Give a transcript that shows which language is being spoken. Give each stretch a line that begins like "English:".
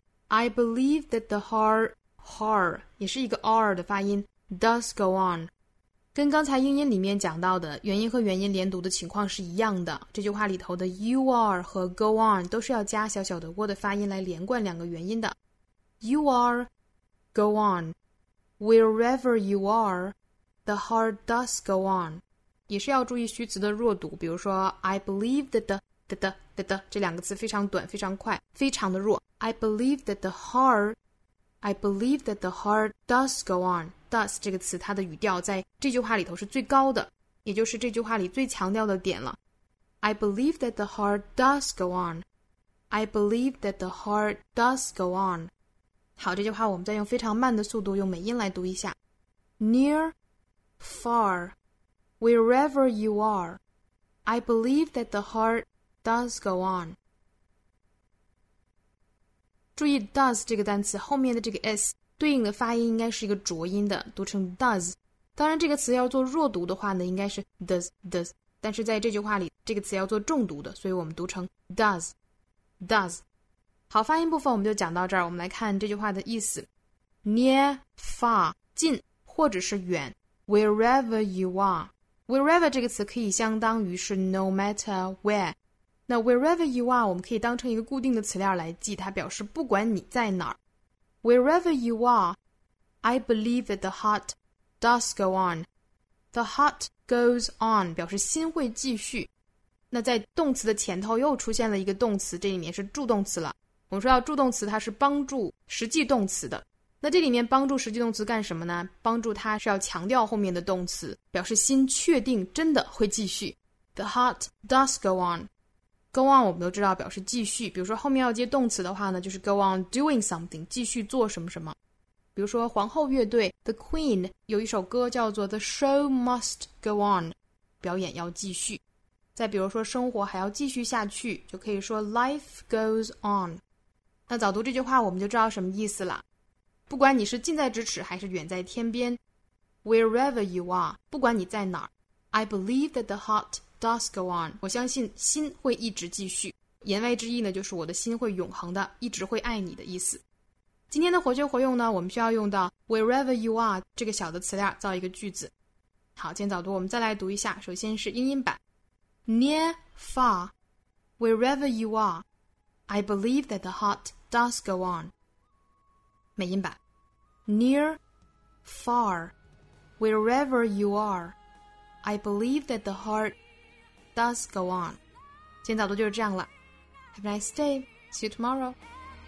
English: I believe that the heart，
Chinese: heart， 也是一个 r 的发音， does go on， 跟刚才英音里面讲到的元音和元音连读的情况是一样的。这句话里头的 you are 和 go on 都是要加小小的窝的发音来连贯两个元音的。
English: you are， go onWherever you are, the heart does go on.
Chinese: 也是要注意虚词的弱读，比如说 I believe that the, the, the, the, the 这两个词非常短，非常快，非常的弱。
English: I believe that the heart, I believe that the heart does go on.
Chinese: Does 这个词它的语调在这句话里头是最高的，也就是这句话里最强调的点了。
English: I believe that the heart does go on. I believe that the heart does go on.
Chinese: 好，这句话我们再用非常慢的速度用美音来读一下。
English: Near, far, wherever you are, I believe that the heart does go on.
Chinese: 注意 does 这个单词后面的这个 s 对应的发音应该是一个浊音的，读成 does。当然这个词要做弱读的话呢，应该是 does, does， 但是在这句话里这个词要做重读的，所以我们读成 does, does。好，发音部分我们就讲到这儿。我们来看这句话的意思。
English: Near, far,
Chinese: 近或者是远。
English: Wherever you are， Wherever
Chinese: 这个词可以相当于是
English: No matter where。
Chinese: 那 wherever you are 我们可以当成一个固定的词料来记，它表示不管你在哪儿。
English: Wherever you are, I believe that the heart does go on. The heart goes on
Chinese: 表示心会继续。那在动词的前头又出现了一个动词，这里面是助动词了。我们说要助动词，它是帮助实际动词的。那这里面帮助实际动词干什么呢？帮助它是要强调后面的动词，表示心确定真的会继续。
English: The heart does go on.
Chinese: Go on 我们都知道表示继续，比如说后面要接动词的话呢，就是 go on doing something， 继续做什么什么。比如说皇后乐队 The Queen 有一首歌叫做
English: The show must go on，
Chinese: 表演要继续。再比如说生活还要继续下去，就可以说 life goes on。那早读这句话我们就知道什么意思了。不管你是近在咫尺还是远在天边，
English: Wherever you are，
Chinese: 不管你在哪儿，
English: I believe that the heart does go on，
Chinese: 我相信心会一直继续。言外之意呢，就是我的心会永恒的，一直会爱你的意思。今天的活学活用呢，我们需要用到 Wherever you are 这个小的词料造一个句子。好，今天早读我们再来读一下。首先是英音版。
English: Near, far, wherever you areI believe that the heart does go on.
Chinese: 美音版。
English: Near, far, wherever you are, I believe that the heart does go on.
Chinese: 今天早读就是这样了。
English: Have a nice day. See you tomorrow.